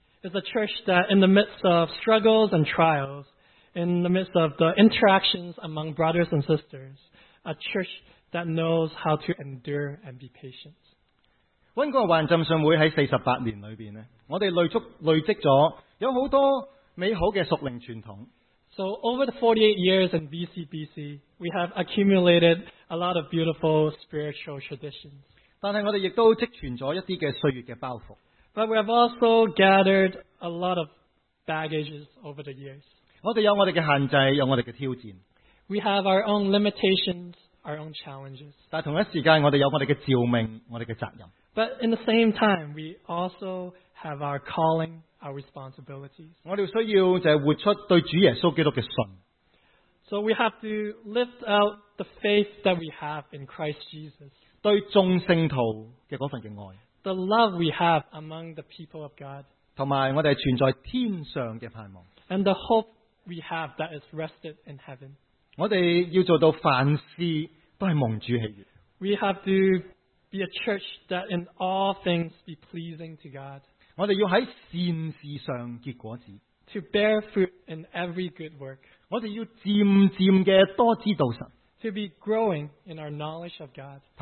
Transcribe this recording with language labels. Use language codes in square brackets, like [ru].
[en] It's a church that in the midst of struggles and trials, in the midst of the interactions among brothers and sisters, a church that knows how to endure and be patient. [yue] 溫哥華浸信會在48年裏面,我們累積了有很多美好的屬靈傳統。 [en] So over the 48 years in BCBC, we have accumulated a lot of beautiful spiritual traditions. [yue] 但是我們也都積存了一些歲月的包袱。 [en] But we have also gathered a lot of baggages over the years. [yue] 我們有我們的限制,有我們的挑戰。 [en] We have our own limitations, our own challenges. [yue] 但同一時間,我們有我們的召命,我們的責任。 [en] But in the same time, we also have our calling, our responsibilities. [yue] 我們需要就是活出對主耶穌基督的信。 [en] So we have to lift out the faith that we have in Christ Jesus. [yue] 對眾聖徒的那份的愛。 [en] The love we have among the people of God. [yue] 以及我們存在天上的盼望。 [en] And the hope we have that is rested in heaven. [yue] 我們要做到凡事都是蒙主喜悅。 [en] We have to be a church that in all things be pleasing to God. [yue] 我們要在善事上結果子。 [en] To bear fruit in every good work. [yue] 我們要漸漸的多知道神。 [en] To be growing in our knowledge of God.